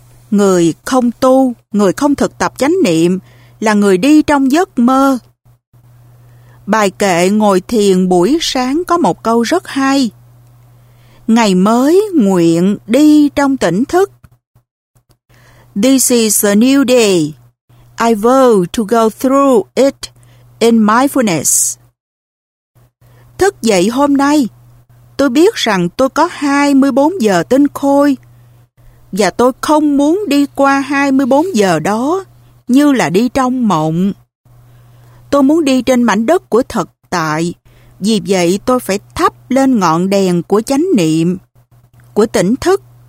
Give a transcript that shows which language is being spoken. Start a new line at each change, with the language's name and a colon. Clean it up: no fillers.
Vietnamese: Người không tu, người không thực tập chánh niệm là người đi trong giấc mơ. Bài kệ ngồi thiền buổi sáng có một câu rất hay: ngày mới nguyện đi trong tỉnh thức.
English: This is a new day. I vow to go through it in mindfulness.
Vietnamese: Thức dậy hôm nay, tôi biết rằng tôi có 24 giờ tinh khôi và tôi không muốn đi qua 24 giờ đó như là đi trong mộng. Tôi muốn đi trên mảnh đất của thực tại, vì vậy tôi phải thắp lên ngọn đèn của chánh niệm, của tỉnh thức.